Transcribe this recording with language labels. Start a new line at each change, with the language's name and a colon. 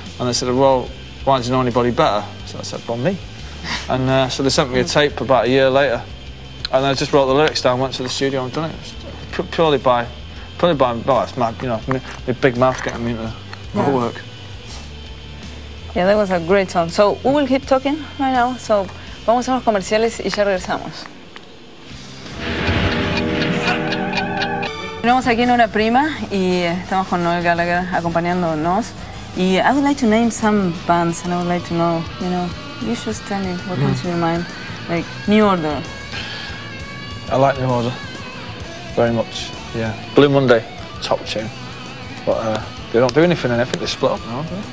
English: And they said, "Well, why do you know anybody better?" So I said, "Well, me." And so they sent me a tape about a year later, and I just wrote the lyrics down, went to the studio and done it. Purely by well, it's my, you know, my big mouth getting me into my work. Yeah, that was a great song. So we will keep talking right now.
Spanish: So vamos a los comerciales y ya regresamos. Estamos aquí en Una Prima y estamos con Noel Gallagher acompañándonos.
English: Y I would like to name some bands, and I would like to know, you know, you just tell me what comes to your mind, like New Order. I like New Order very much. Yeah, Blue Monday, top tune. But they don't do anything, and I think they split up now.